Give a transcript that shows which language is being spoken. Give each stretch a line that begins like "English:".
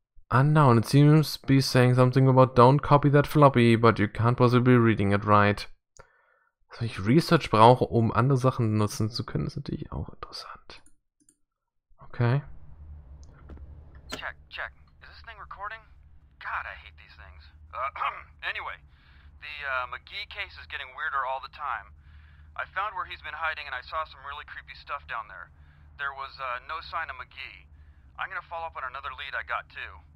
English: Unknown, it seems to be saying something about don't copy that floppy, but you can't possibly be reading it right.
German: Dass ich Research brauche, um andere Sachen nutzen zu können, ist natürlich auch interessant.
English: Okay. Check, check. Is this thing recording? God, I hate these things. anyway, the McGee case is getting weirder all the time. I found where he's been hiding and I saw some really creepy stuff down there. There was no sign of McGee. I'm gonna follow up on another lead I got too.